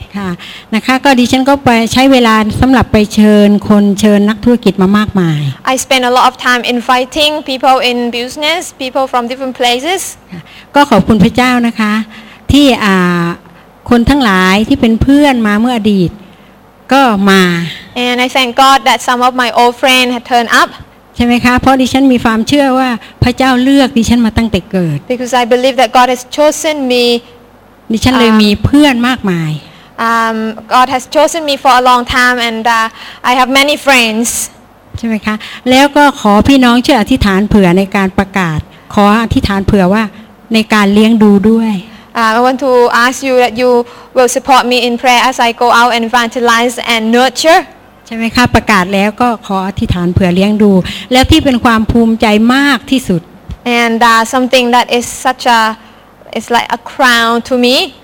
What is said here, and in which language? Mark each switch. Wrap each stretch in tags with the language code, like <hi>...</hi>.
<th>ค่ะนะคะก็ดิฉันก็ไปใช้เวลาสำหรับไปเชิญคนเชิญนักธุรกิจมามากมาย</th> <en>I spend a lot of time inviting people in business, people from different places.</en> <th>ก็ขอบคุณพระเจ้านะคะที่คนทั้งหลายที่เป็นเพื่อนมาเมื่ออดีตก็มา</th> <en>And I thank God that some of my old friend had turned up</en> <th>ใช่ไหมคะเพราะดิฉันมีความเชื่อว่าพระเจ้าเลือกดิฉันมาตั้งแต่เกิด</th> <en>Because I believe that God has chosen me</en> <th>ดิฉันเลยมีเพื่อนมากมาย</th> <en>God has chosen me for a long time and I have many friends</en> <th>ใช่ไหมคะแล้วก็ขอพี่น้องช่วยอธิษฐานเผื่อในการประกาศขออธิษฐานเผื่อว่าในการเลี้ยงดูด้วย</th> <en>I want to ask you that you will support me in prayer as I go out and evangelize and nurture.</en> <th>ใช่ไหมคะประกาศแล้วก็ขออธิษฐานเผื่อเลี้ยงดูแล้วที่เป็นความภูมิใจมากที่สุด</th> <en>And something that is such a it's like a crown to me.</en>